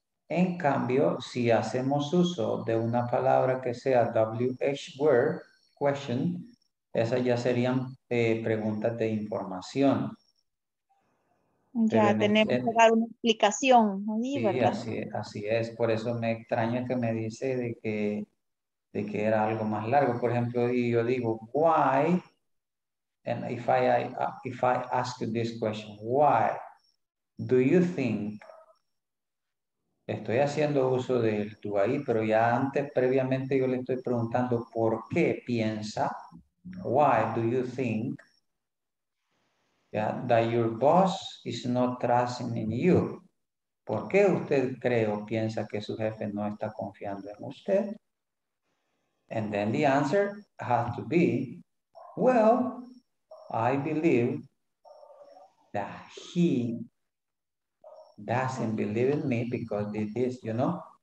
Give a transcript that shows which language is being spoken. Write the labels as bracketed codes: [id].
[es] En cambio, si hacemos uso de una palabra que sea WH word, question, esas ya serían preguntas de información. Pero ya tenemos que dar una explicación, ¿no? Sí, así es. Por eso me extraña que me dice de que era algo más largo. Por ejemplo, y yo digo, [en] why? And if I ask you this question, why do you think? [es] Estoy haciendo uso del tú ahí, pero ya antes, previamente, yo le estoy preguntando por qué piensa. [en] Why do you think? Yeah, that your boss is not trusting in you. [es] ¿Por qué usted cree o piensa que su jefe no está confiando en usted? [en] And then the answer has to be, well, I believe that he doesn't believe in me because of this, you know?